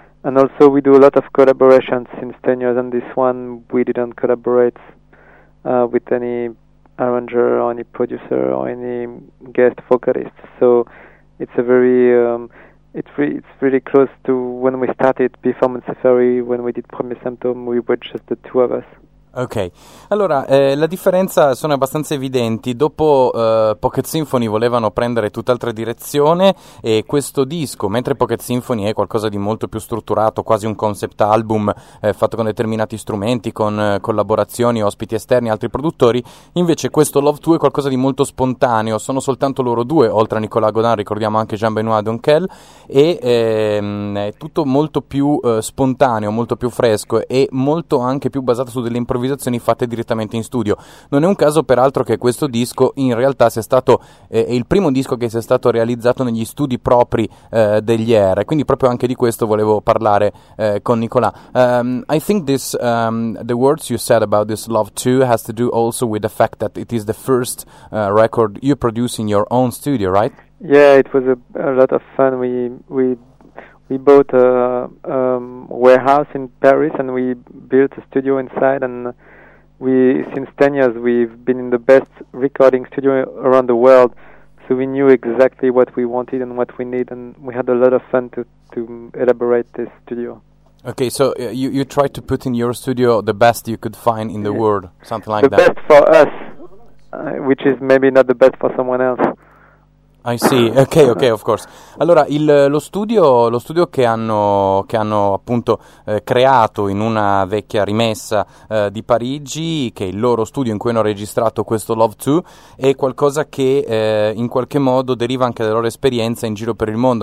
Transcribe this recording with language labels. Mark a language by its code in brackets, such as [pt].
[en] And also we do a lot of collaborations since 10 years, and this one we didn't collaborate with any arranger or any producer or any guest vocalist. So it's a very, it's really close to when we started before Monsefairy, when we did Premier Symptom, we were just the two of us. [it] Ok, allora la differenza sono abbastanza evidenti. Dopo Pocket Symphony volevano prendere tutt'altra direzione, e questo disco, mentre Pocket Symphony è qualcosa di molto più strutturato, quasi un concept album fatto con determinati strumenti, con collaborazioni, ospiti esterni, altri produttori, invece questo Love 2 è qualcosa di molto spontaneo, sono soltanto loro due, oltre a Nicolas Godin ricordiamo anche Jean-Benoît Donkel, e è tutto molto più spontaneo, molto più fresco e molto anche più basato su delle improvvisazioni fatte direttamente in studio. Non è un caso peraltro che questo disco in realtà sia stato è il primo disco che sia stato realizzato negli studi propri degli Air, quindi proprio anche di questo volevo parlare con Nicolas. [en] I think this the words you said about this Love 2 has to do also with the fact that it is the first record you produce in your own studio, right? Yeah, it was a lot of fun. We bought a warehouse in Paris and we built a studio inside, and we, since 10 years, we've been in the best recording studio around the world, so we knew exactly what we wanted and what we need, and we had a lot of fun to elaborate this studio. Okay, so you tried to put in your studio the best you could find in the world, something like the that. The best for us, which is maybe not the best for someone else. I see, ok, of course. [it] Allora, lo studio che hanno appunto creato in una vecchia rimessa di Parigi, che è il loro studio in cui hanno registrato questo Love 2, è qualcosa che in qualche modo deriva anche dalla loro esperienza in giro per il mondo.